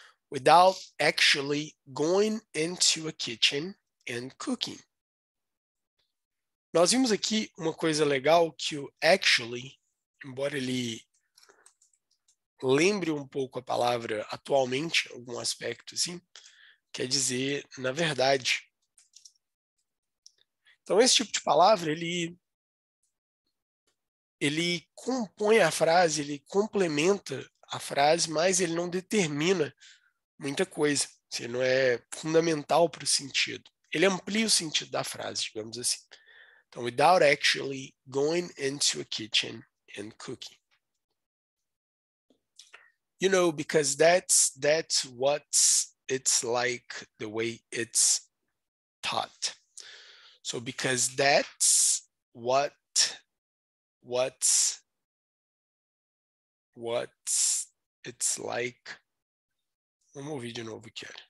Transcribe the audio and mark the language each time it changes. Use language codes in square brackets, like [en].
[en] Without actually going into a kitchen and cooking. [pt] Nós vimos aqui uma coisa legal que o actually, embora ele lembre um pouco a palavra atualmente, algum aspecto assim, quer dizer, na verdade. Então, esse tipo de palavra, ele compõe a frase, ele complementa a frase, mas ele não determina muita coisa. Se não é fundamental para o sentido. Ele amplia o sentido da frase, digamos assim. Então, [en] without actually going into a kitchen and cooking. You know, because that's what it's like the way it's taught. So, because that's what it's like. [pt] Vamos ouvir de novo aqui.